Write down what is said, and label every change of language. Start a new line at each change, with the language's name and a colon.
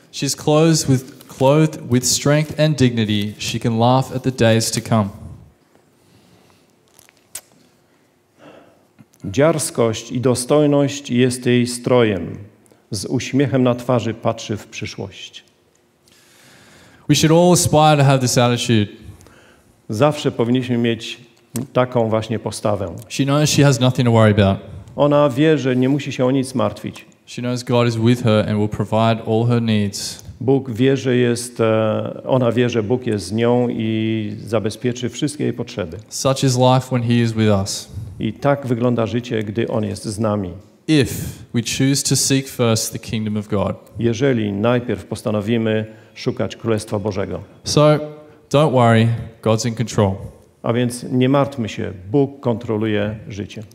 English: She's clothed with strength and dignity, she can laugh at the days to come.
Polish: Dziarskość i dostojność jest jej strojem. Z uśmiechem na twarzy patrzy w przyszłość.
English: We should all aspire to have this attitude.
Polish: Zawsze powinniśmy mieć taką właśnie postawę.
English: She knows she has nothing to worry about.
Polish: Ona wie, że nie musi się o nic martwić.
English: She knows God is with her and will provide all her needs.
Polish: Bóg wie, że jest, ona wie, że Bóg jest z nią i zabezpieczy wszystkie jej potrzeby.
English: Such is life when he is with us.
Polish: I tak wygląda życie, gdy on jest z nami.
English: If we choose to seek first the kingdom of God.
Polish: Jeżeli najpierw postanowimy szukać Królestwa Bożego.
English: So, don't worry, God's in control.
Polish: A więc nie martwmy się, Bóg kontroluje życie.